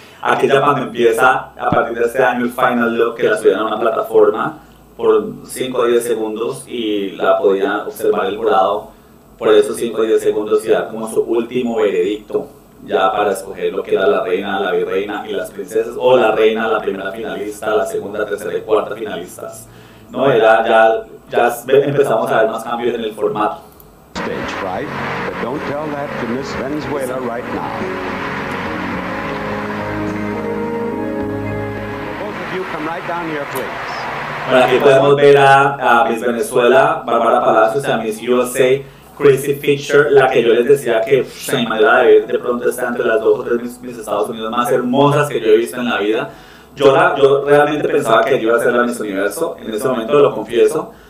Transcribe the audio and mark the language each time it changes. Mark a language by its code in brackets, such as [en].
[es] Aquí ya cuando empieza, a partir de este año, el final look, que la subían a una plataforma por 5 o 10 segundos y la podía observar el jurado por esos 5 o 10 segundos y dar como su último veredicto ya para escoger lo que era la reina, la virreina y las princesas, o la reina, la primera finalista, la segunda, tercera y cuarta finalistas. No, era ya empezamos a ver más cambios en el formato. [en] Stage fright, but don't tell that to Miss Venezuela right now. Both of you come right down here, please. [es] Bueno, aquí podemos ver a Miss Venezuela, Bárbara Palacios, a Miss USA, Chrissy Fisher, la que yo les decía que se me iba a ver de pronto está entre las dos o tres Miss Estados Unidos más hermosas que yo he visto en la vida. Yo realmente pensaba que iba a ser la Miss Universo, en ese momento lo confieso.